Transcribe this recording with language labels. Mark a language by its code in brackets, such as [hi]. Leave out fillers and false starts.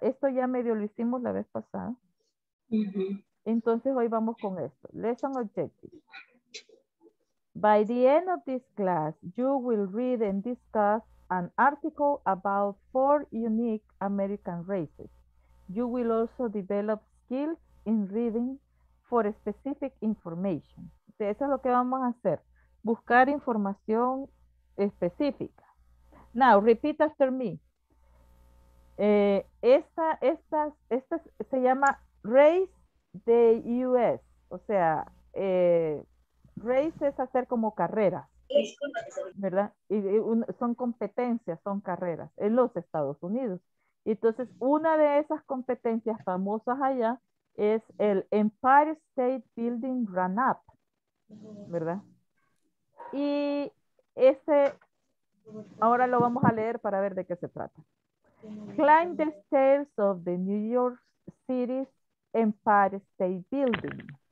[es] Esto ya medio lo hicimos la vez pasada. Entonces hoy vamos con esto. [en] Lesson objective. By the end of this class, you will read and discuss an article about four unique American races. You will also develop skills in reading for specific information. [es] Entonces, eso es lo que vamos a hacer. Buscar información específica. [en] Now, repeat after me. [es] Esta se llama Race the US. O sea, race es hacer como carrera. ¿Verdad? Son competencias, son carreras en los Estados Unidos. Entonces, una de esas competencias famosas allá es el Empire State Building Run Up, ¿verdad? Y ese, ahora lo vamos a leer para ver de qué se trata. [en] Climb the stairs of the New York City's Empire State Building.